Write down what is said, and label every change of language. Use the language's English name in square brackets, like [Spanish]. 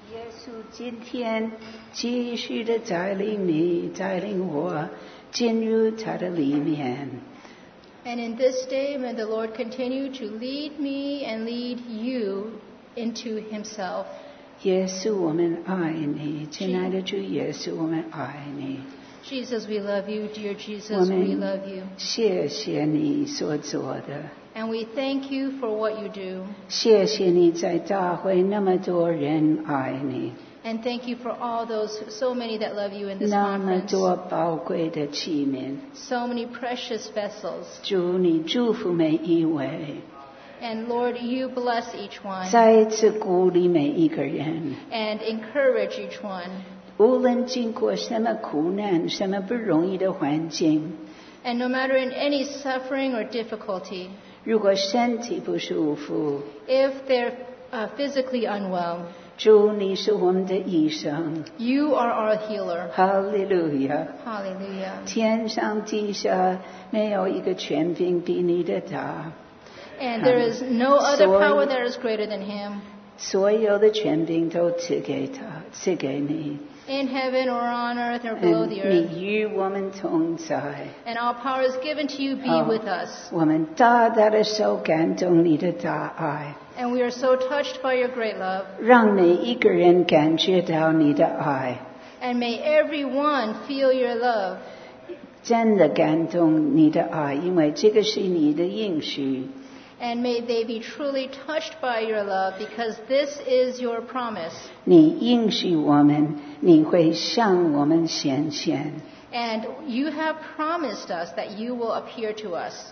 [Chinese] 稣今天继续的带领你，带领我进入他的里面。 [English] And in this day, may the Lord continue to lead me and lead you into Himself. [Chinese] 耶稣，我们爱你，亲爱的主耶稣，我们爱你。 [English] Jesus, we love you, dear Jesus, we love you. [Chinese] 谢谢你所做的。 [English] And we thank you for what you do. [Chinese] 谢谢你在大会那么多人爱你。 [English] And thank you for all those, so many that love you in this [Chinese] 那么多宝贵的器皿。 [English] So many precious vessels. [Chinese] 主，你祝福每一位。 [English] And Lord, you bless each one. [Chinese] 再次鼓励每一个人。 [English] And encourage each one. [Chinese] 无论经过什么苦难，什么不容易的环境。 [English] And no matter in any suffering or difficulty. [Chinese] 如果身体不舒服。 [English] If they're physically unwell. [Chinese] 主，你是我们的医生。 [English] You are our healer. Hallelujah. Hallelujah. [Chinese] 天上地下没有一个权柄比你的大。 [English] And there is no other power that is greater than Him. [Chinese] 所有的权柄都赐给他，赐给你。 [English] In heaven or on earth or below the earth. [Chinese] 你与我们同在。 [English] And all power is given to you. Be with us. [Chinese] 我们大大的受感动你的大爱。 [English] And we are so touched by your great love. [Chinese] 让每一个人感觉到你的爱。 [English] And may everyone feel your love. [Chinese] 真的感动你的爱，因为这个是你的应许。 [English] And may they be truly touched by your love, because this is your promise. [Chinese] 你应许我们，你会向我们显现。 [English] And you have promised us that you will appear to us.